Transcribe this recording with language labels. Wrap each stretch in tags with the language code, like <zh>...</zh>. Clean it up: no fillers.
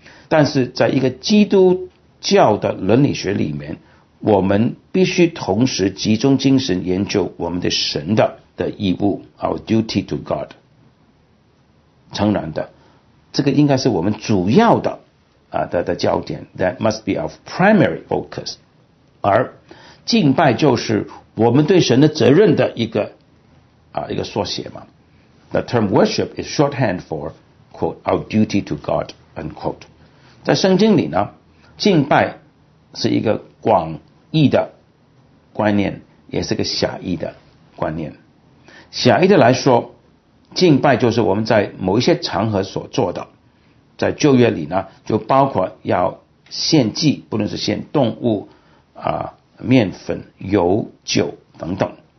<zh>但是在一个基督教的伦理学里面，我们必须同时集中精神研究我们的神的义务，</zh> <en>our duty to God。</en> <zh>诚然的，这个应该是我们主要的焦点，</zh> <en>that must be our primary focus。</en> <zh>而敬拜就是我们对神的责任的一个缩写嘛。</zh> <en>The term worship is shorthand for quote, our duty to God unquote。</en> <zh>在圣经里呢，敬拜是一个广义的观念，也是个狭义的观念。狭义的来说，敬拜就是我们在某一些场合所做的。在旧约里呢，就包括要献祭，不论是献动物啊、面粉、油、酒等等。</zh>